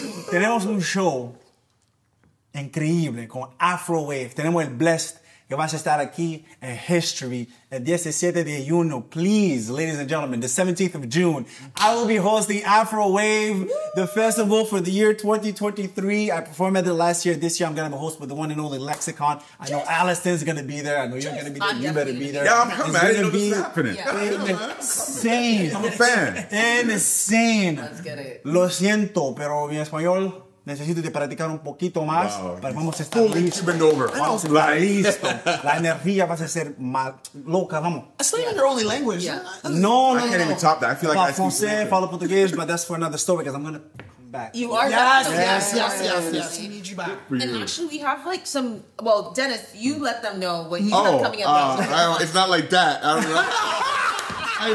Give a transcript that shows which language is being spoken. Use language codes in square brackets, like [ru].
[es] Tenemos un show increíble con Afro Wave. Tenemos el blessed. que vas a estar aquí en history. El 17 de junio, [en] please, ladies and gentlemen, the 17th of June, I will be hosting Afro Wave, the festival for the year 2023. I performed at it last year. This year, I'm going to host with the one and only Lexicon. I know Allison's going to be there. I know you're going to be there. You better be there. Yeah, I'm coming. I didn't know this was happening. Insane. I'm a fan. Insane. Let's get it. [es] Lo siento, pero mi español... Necesito de practicar un poquito más, pero vamos a estar listos. [en] Bend over. [es] Vamos a estar listos. La energía va a ser más loca, vamos. [en] It's not even your only language. Yeah. No. I can't even top that. I feel like I speak French. [pt] Falo português, [en] but that's for another story because I'm going to come back. You are Yes. We need you back. And actually, we have like some, well, Dennis, you let them know what he's coming at. Oh, it's not like that. I don't know.